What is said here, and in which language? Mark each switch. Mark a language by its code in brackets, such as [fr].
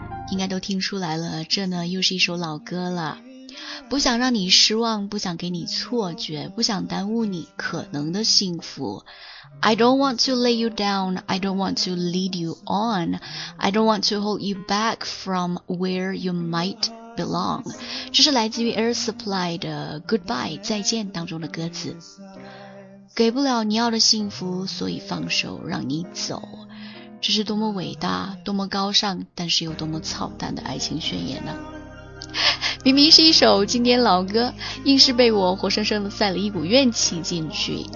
[zh] 应该都听出来了，这呢又是一首老歌了。不想让你失望，不想给你错觉，不想耽误你可能的幸福。 [en] I don't want to lay you down, I don't want to lead you on, I don't want to hold you back from where you might belong. [zh] 这是来自于 Air Supply 的 Goodbye 再见当中的歌词。给不了你要的幸福，所以放手让你走。这是多么伟大，多么高尚，但是又多么操蛋的爱情宣言呢？明明是一首经典老歌，硬是被我活生生的塞了一股怨气进去。